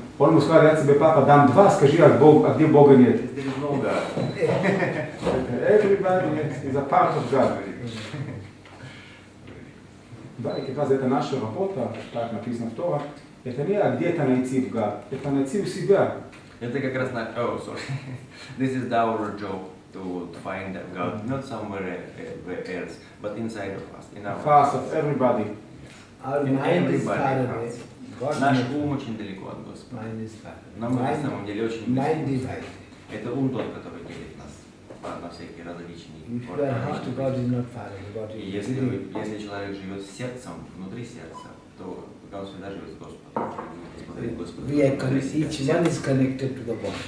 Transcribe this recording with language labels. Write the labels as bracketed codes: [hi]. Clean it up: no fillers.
[ru] Он ему сказал, я тебе, папа, дам два, скажи, а где Бога нет? [en] There is no God. Everybody is a part of God. [ru] Да, и как раз это наша работа, так написано в Торе, это не где-то найти в Га, это найти у себя. Это как раз на... [en] Oh, sorry. This is our job to find that God, not somewhere else, but inside of us, in our hearts. Of everybody. Our in mind is far away. [ru] Наш ум очень далеко от Господа. [en] Mind is far away. [ru] Нам на самом деле очень близко. [en] Mind is far away. [ru] Это ум тот, который делит нас. На всякие различные формы. Если человек живет сердцем, внутри сердца, то он всегда живет с Господом.